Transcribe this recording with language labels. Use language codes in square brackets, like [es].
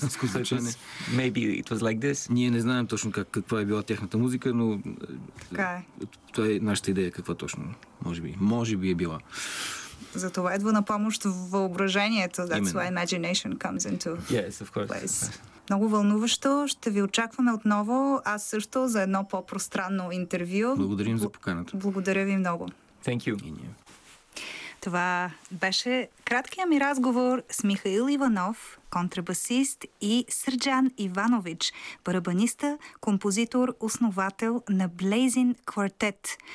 [bg] Balkansko звучание. [en] Maybe it was like this. [bg] Ние не знаем точно каква е била тяхната музика, но. Така е. Това е нашата идея каква точно. Може би. Може би е била. Затова идва на помощ въображението. [en] That's why imagination comes into place. Yes, of course. [bg] Много вълнуващо. Ще ви очакваме отново. Аз също за едно по-пространно интервю. Благодарим за поканата. Благодаря ви много. [en] Thank you. [bg] Това беше краткият ми разговор с Михаил Иванов, контрабасист, и Сърджан Иванович, барабаниста, композитор, основател на Blazing Quartet.